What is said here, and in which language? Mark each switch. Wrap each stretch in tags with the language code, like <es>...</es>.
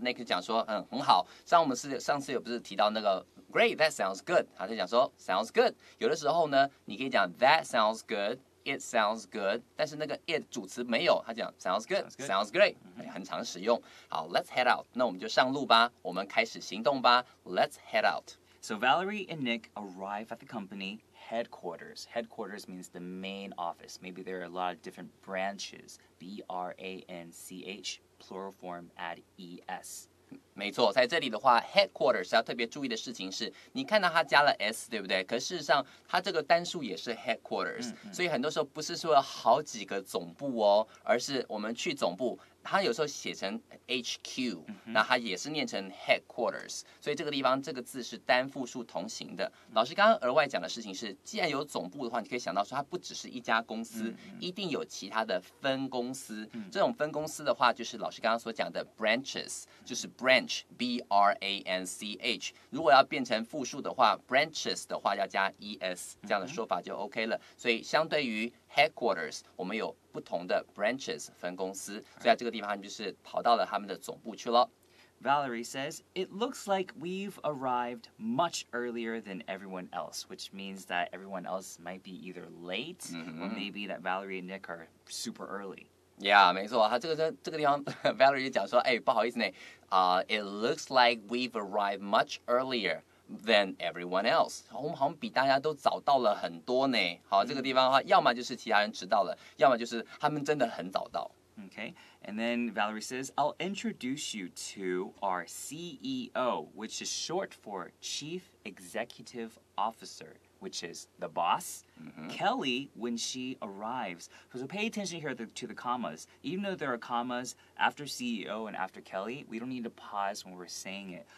<zh>Nick 讲说，嗯，很好。上次有不是提到那个 ，</zh> <en>Great, that sounds good。</en> <zh>他就讲说 ，</zh> <en>Sounds good。</en> <zh>有的时候呢，你可以讲</zh> <en>That sounds good, It sounds good，</en> <zh>但是那个 it 主词没有，他讲 Sounds good,</zh> <en>sounds</en> <zh>great， 很常使用。好 ，</zh> <en>Let's head out。</en> <zh>那我们就上路吧，我们开始行动吧。</zh> <en>Let's head out。 So Valerie and Nick arrive at the company. Headquarters. Headquarters means the main office. Maybe there are a lot of different branches. B-R-A-N-C-H, plural form, add E-S.</en> <zh>没错，在这里的话 ,headquarters 要特别注意的事情是你看到它加了 S, 对不对？可事实上它这个单数也是 headquarters, 所以很多时候不是说好几个总部哦，而是我们去总部它有时候写成 HQ, 那它也是念成 headquarters, 所以这个地方这个字是单复数同形的。老师刚刚额外讲的事情是既然有总部的话你可以想到说它不只是一家公司一定有其他的分公司。这种分公司的话就是老师刚刚所讲的 branches, 就是 branch, B-R-A-N-C-H, 如果要变成复数的话 branches 的话要加 E-S, 这样的说法就 OK 了。所以相对于Headquarters, 我们有不同的 branches, 分公司。所以在这个地方就是跑到了他们的总部去了。</zh> <en>Valerie says, it looks like we've arrived much earlier than everyone else, which means that everyone else might be either late, or maybe that Valerie and Nick are super early.</en> <zh>Yeah, 没错。这个地方Valerie就讲说，哎，不好意思呢，</zh> <en>it looks like we've arrived much earlier. Than everyone else.</en> <zh>我们好像比大家都早到了很多呢。好，这个地方的话，要么就是其他人迟到了，要么就是他们真的很早到。</zh> <en>Okay, and then Valerie says, I'll introduce you to our CEO, which is short for Chief Executive Officer, which is the boss, Kelly, when she arrives. So pay attention here to the commas. Even though there are commas after CEO and after Kelly, we don't need to pause when we're saying it.</en>